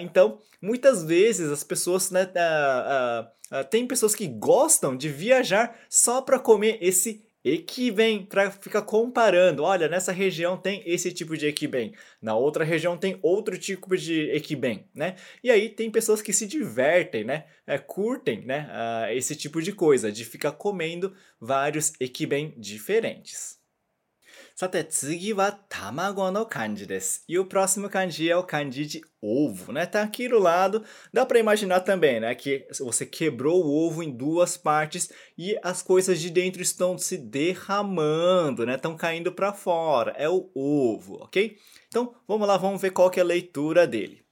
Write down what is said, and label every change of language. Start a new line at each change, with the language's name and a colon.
Portuguese: Então, muitas vezes as pessoas, né, tem pessoas que gostam de viajar só para comer esse ekiben, para ficar comparando. Olha, nessa região tem esse tipo de ekiben, na outra região tem outro tipo de ekiben, né? E aí tem pessoas que se divertem, né? Curtem, né, esse tipo de coisa, de ficar comendo vários ekiben diferentes.
Japanese: さて、次は卵の漢字です。
Portuguese: E o próximo kanji é o kanji de ovo, né? Tá aqui do lado, dá pra imaginar também, né? Que você quebrou o ovo em duas partes e as coisas de dentro estão se derramando, né? Estão caindo pra fora, é o ovo, ok? Então, vamos lá, vamos ver qual que é a leitura dele.